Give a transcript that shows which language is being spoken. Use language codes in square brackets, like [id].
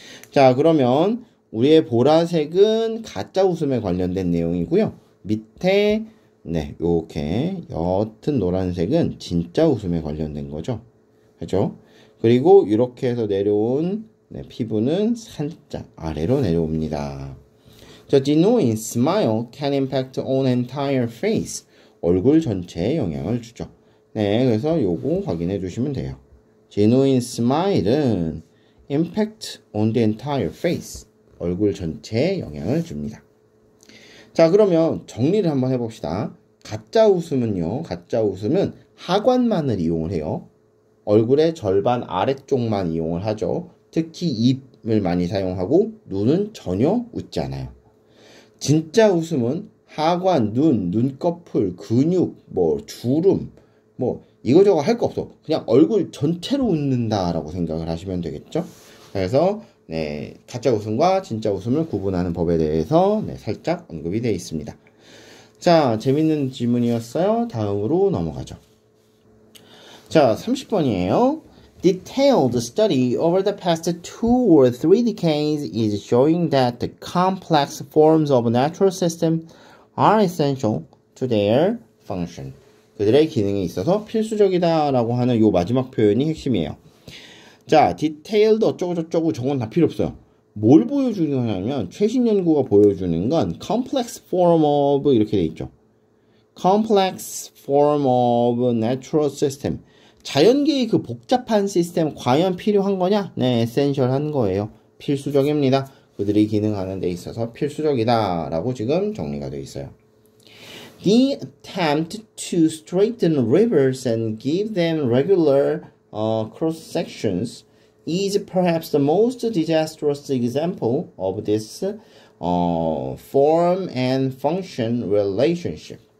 [ko] 자, 그러면 우리의 보라색은 가짜 웃음에 관련된 내용이고요. 밑에 네, 요렇게 옅은 노란색은 진짜 웃음에 관련된 거죠. 그죠? 그리고 이렇게 해서 내려온 네, 피부는 살짝 아래로 내려옵니다. [en] 자, the annoying smile can impact on entire face. [ko] 얼굴 전체에 영향을 주죠. 네, 그래서 요거 확인해 주시면 돼요. [en] The annoying smile은 impact on the entire face. [ko] 얼굴 전체에 영향을 줍니다. 자, 그러면 정리를 한번 해봅시다. 가짜 웃음은요, 가짜 웃음은 하관만을 이용을 해요. 얼굴의 절반 아래쪽만 이용을 하죠. 특히 입을 많이 사용하고 눈은 전혀 웃지 않아요. 진짜 웃음은 하관, 눈, 눈꺼풀, 근육, 뭐 주름, 뭐 이거저거 할 거 없어. 그냥 얼굴 전체로 웃는다라고 생각을 하시면 되겠죠. 그래서 네, 가짜 웃음과 진짜 웃음을 구분하는 법에 대해서 네, 살짝 언급이 되어 있습니다. 자, 재밌는 질문이었어요. 다음으로 넘어가죠. 자, 30번이에요. [en] Detailed study over the past two or three decades is showing that the complex forms of natural system are essential to their function. [ko] 그들의 기능에 있어서 필수적이다 라고 하는 이 마지막 표현이 핵심이에요. 자, 디테일도 어쩌고저쩌고 저건 다 필요 없어요. 뭘 보여주는 거냐면 최신 연구가 보여주는 건 [en] complex form of [ko] 이렇게 돼 있죠. [en] complex form of natural system. [ko] 자연계의 그 복잡한 시스템 과연 필요한 거냐? 네, essential 한 거예요. 필수적입니다. 그들이 기능하는 데 있어서 필수적이다 라고 지금 정리가 돼 있어요. [en] The attempt to straighten rivers and give them regular cross sections is perhaps the most disastrous example of this form and function relationship.